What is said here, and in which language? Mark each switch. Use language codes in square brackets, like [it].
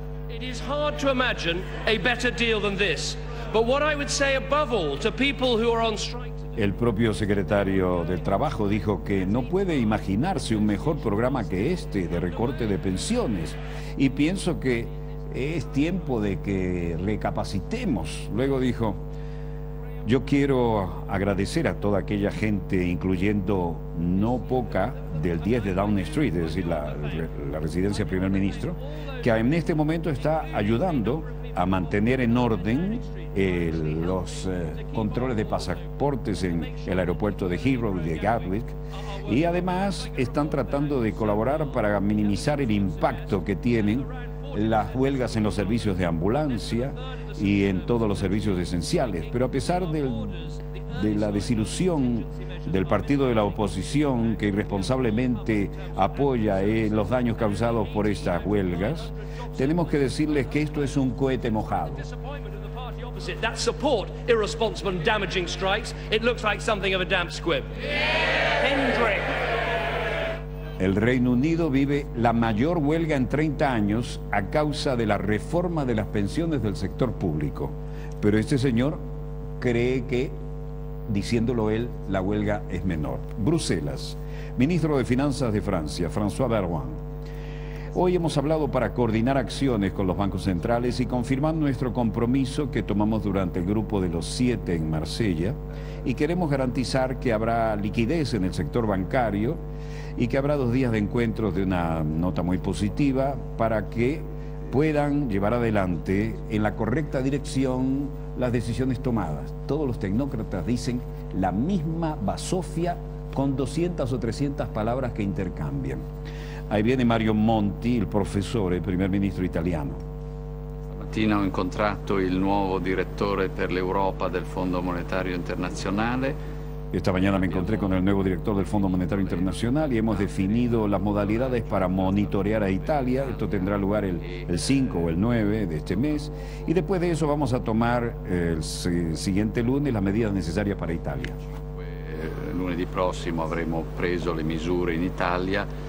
[en] It is hard to imagine a better deal than this. But what I would say above all to people who are on strike. [es] El propio secretario del Trabajo dijo que no puede imaginarse un mejor programa que este de recorte de pensiones. Y pienso que es tiempo de que recapacitemos. Luego dijo, yo quiero agradecer a toda aquella gente, incluyendo no poca del 10 de Downing Street, es decir, la residencia del primer ministro, que en este momento está ayudando a mantener en orden los controles de pasaportes en el aeropuerto de Heathrow y de Gatwick, y además están tratando de colaborar para minimizar el impacto que tienen las huelgas en los servicios de ambulancia y en todos los servicios esenciales. Pero a pesar de la desilusión del partido de la oposición que irresponsablemente apoya los daños causados por estas huelgas, tenemos que decirles que esto es un cohete mojado. [en] That support irresponsible and damaging strikes, it looks like something of a damp squib. Yeah. Hendrick. [es] El Reino Unido vive la mayor huelga en 30 años a causa de la reforma de las pensiones del sector público. Pero este señor cree que, diciéndolo él, la huelga es menor. Bruselas, ministro de Finanzas de Francia, François Baroin. Hoy hemos hablado para coordinar acciones con los bancos centrales y confirmar nuestro compromiso que tomamos durante el grupo de los siete en Marsella, y queremos garantizar que habrá liquidez en el sector bancario y que habrá dos días de encuentros de una nota muy positiva para que puedan llevar adelante en la correcta dirección las decisiones tomadas. Todos los tecnócratas dicen la misma basofia con 200 o 300 palabras que intercambian. Ahí viene Mario Monti, el profesor, el primer ministro italiano. [it] Esta mattina ho incontrato il nuovo direttore per l'Europa del Fondo Monetario Internazionale. [es] Esta mañana me encontré con el nuevo director del Fondo Monetario Internacional y hemos definido las modalidades para monitorear a Italia. Esto tendrá lugar el 5 o el 9 de este mes. Y después de eso vamos a tomar el siguiente lunes las medidas necesarias para Italia. [it] Lunedì prossimo avremo preso le misure in Italia.